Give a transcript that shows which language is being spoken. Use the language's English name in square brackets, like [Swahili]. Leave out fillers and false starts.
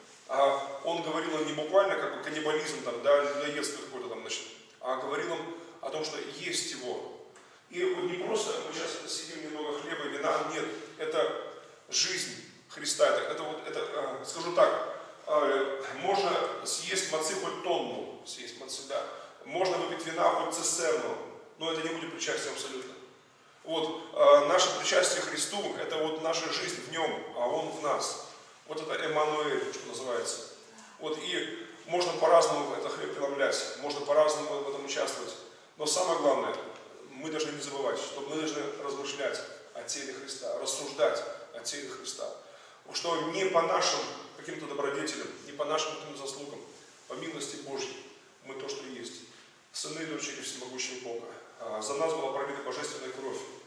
[Russian] А он говорил им не буквально, как бы каннибализм, там, да, людоедство какое-то там, значит, а говорил им о том, что есть его. И вот не просто мы сейчас сидим немного хлеба и вина, нет, это жизнь Христа, это вот, это, скажу так, [Ukrainian] Можна з'їсти маци хоч тонну, з'їсти маци, да. Можна випити вина хоч цистерну, але це не буде причастя абсолютно. От, наше причастя Христу – це от наша життя в ньому, а Він в нас. От це Еммануель, що називається. От, і можна по-разному це хліб приготувати, можна по-разному в цьому участвувати. [Russian] Но самое главное, мы должны не забывать, что мы должны размышлять о теле Христа, рассуждать о теле Христа. Что не по нашим каким-то добродетелям, не по нашим каким-то заслугам, по милости Божьей, мы то, что есть. Сыны и дочери всемогущего Бога. За нас была пролита божественная кровь.